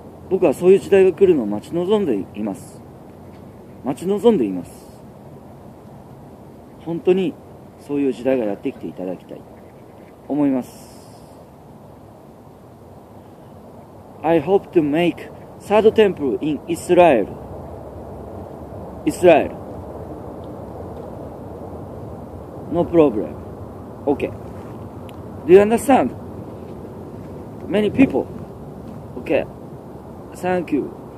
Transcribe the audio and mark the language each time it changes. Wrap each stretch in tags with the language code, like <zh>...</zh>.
<ja>僕はそういう時代が来るのを待ち望んでいます。待ち望んでいます。本当にそういう時代がやってきていただきたい思います。</ja> <en>I hope to make third temple in Israel。イスラエル No problem。 OK。 Do you understand? Many people。 OK。 Thank you。</en>